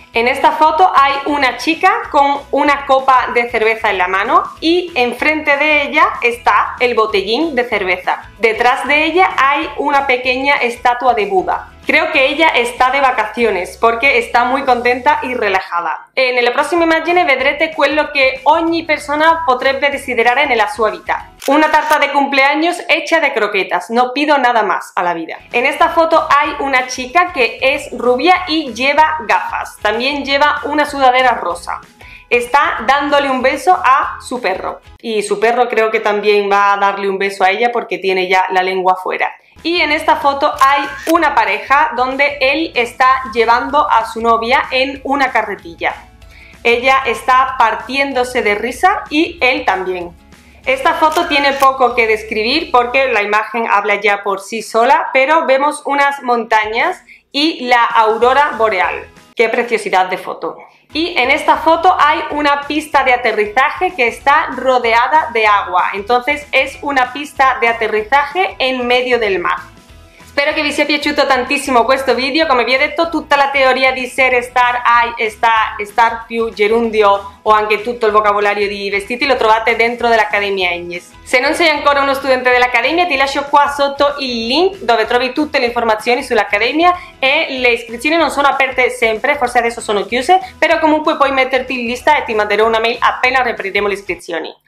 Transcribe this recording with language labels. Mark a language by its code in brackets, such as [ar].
[es] En esta foto hay una chica con una copa de cerveza en la mano y enfrente de ella está el botellín de cerveza. Detrás de ella hay una pequeña estatua de Buda. Creo que ella está de vacaciones porque está muy contenta y relajada. En la próxima imagen [it] vedrete quello que ogni persona potrebbe desiderare nella sua vita. [es] Una tarta de cumpleaños hecha de croquetas, no pido nada más a la vida. En esta foto hay una chica que es rubia y lleva gafas. También lleva una sudadera rosa. Está dándole un beso a su perro. Y su perro creo que también va a darle un beso a ella porque tiene ya la lengua afuera. Y en esta foto hay una pareja donde él está llevando a su novia en una carretilla. Ella está partiéndose de risa y él también. Esta foto tiene poco que describir porque la imagen habla ya por sí sola, pero vemos unas montañas y la aurora boreal. ¡Qué preciosidad de foto! Y en esta foto hay una pista de aterrizaje que está rodeada de agua. Entonces es una pista de aterrizaje en medio del mar. [it] Espero que vi sia piaciuto tantissimo questo video. Come vi ho detto, tutta la teoria di ser, estar, hai, sta, estar più gerundio o anche tutto il vocabolario di vestiti lo trovate dentro dell'Accademia Agnes. Se non sei ancora uno studente dell'Accademia, ti lascio qua sotto il link dove trovi tutte le informazioni sull'Accademia e le iscrizioni non sono aperte sempre, forse adesso sono chiuse, però comunque puoi metterti in lista e ti manderò una mail appena riapriremo le iscrizioni.